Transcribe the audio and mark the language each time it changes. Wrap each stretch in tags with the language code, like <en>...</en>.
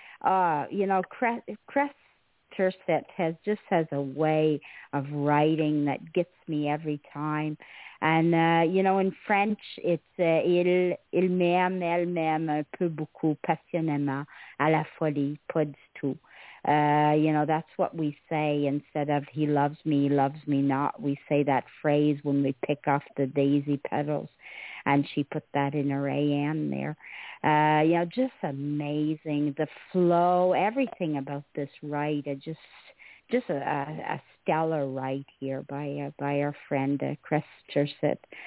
<en>You know, Cresterset has a way of writing that gets me every time. And, you know, in French, it's</en> <fr>il m'aime, elle m'aime un peu beaucoup, passionnément, à la folie, pas du tout.</fr> <en>You know, that's what we say instead of he loves me not. We say that phrase when we pick off the daisy petals. And she put that in her AM there. You know, just amazing. The flow, everything about this write, just a stellar write here by our friend, Cresterset.</en>